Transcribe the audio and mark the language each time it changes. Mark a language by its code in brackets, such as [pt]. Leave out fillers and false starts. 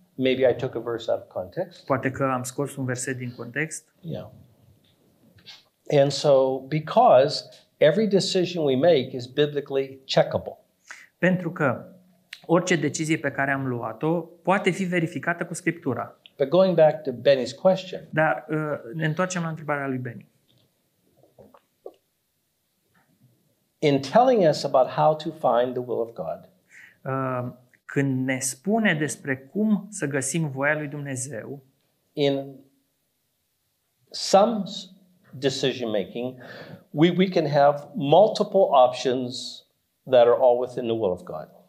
[en] Maybe I took a verse out of context. [ro] Poate că am scos un verset din context. [en] Yeah. And so because every decision we make is biblically checkable. [ro] Pentru că orice decizie pe care am luat-o poate fi verificată cu Scriptura. [en] But going back to Benny's question. [ro] Dar ne întoarcem la întrebarea lui Benny. [en] In telling us about how to find the will of God. [ro] Când ne spune despre cum să găsim voia lui Dumnezeu. [en] In some decision making, we can have multiple options that are all within the will of God.